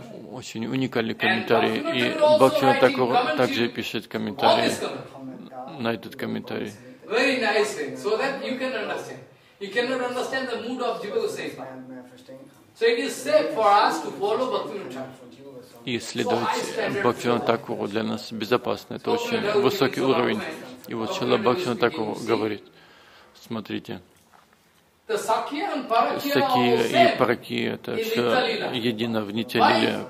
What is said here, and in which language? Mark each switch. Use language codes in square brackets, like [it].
[ru] Очень уникальный комментарий. И Бхактивинода Тхакур также пишет комментарий на этот комментарий. [en] Very nice thing, so that you can understand. You cannot understand the mood of Jiva Goswami. So it is safe for us to follow Bhaktivinoda Thakura. [ru] И следовать Бхактивинода Тхакуру для нас безопасно. Это очень высокий уровень. И вот Шрила Бхактивинода Тхакура говорит, смотрите, Сакия и Паракия, это все едино в Нитя-лиле.